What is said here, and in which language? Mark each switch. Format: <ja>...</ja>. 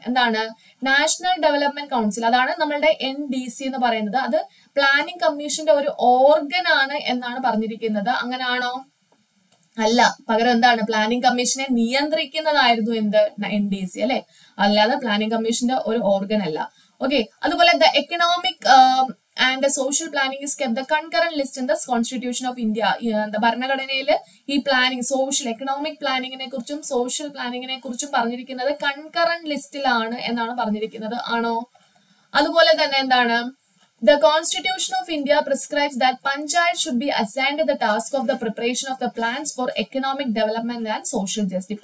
<ml>എന്താണ് national development council, അതാണ് നമ്മളുടെ NDC എന്ന് പറയുന്നത്, അത് പ്ലാനിംഗ് കമ്മീഷന്റെ ഒരു ഓർഗൻ ആണ് എന്നാണ് പറഞ്ഞിരിക്കുന്നത്. അങ്ങനെയാണോ, അല്ല, പകരം എന്താണ് പ്ലാനിംഗ് കമ്മീഷനെ നിയന്ത്രിക്കുന്നതായിരുന്നു എന്ത് NDC അല്ലെ, അല്ലാതെ പ്ലാനിംഗ് കമ്മീഷന്റെ ഒരു ഓർഗൻ അല്ല. ഓക്കെ, അതുപോലെ</ml> <en>The economic and the social planning is kept the concurrent list in the constitution of India.</en> <ml>The ഭരണഘടനയില് ഈ പ്ലാനിങ് സോഷ്യൽ എക്കണോമിക് പ്ലാനിങ്ങിനെ കുറിച്ചും സോഷ്യൽ പ്ലാനിങ്ങിനെ കുറിച്ചും പറഞ്ഞിരിക്കുന്നത് കൺകറന്റ് ലിസ്റ്റിലാണ് എന്നാണ് പറഞ്ഞിരിക്കുന്നത്. ആണോ, അതുപോലെ തന്നെ എന്താണ്</ml> <en>The constitution of India prescribes that panchayat should be assigned the task of the preparation of the plans for economic development and social justice.</en>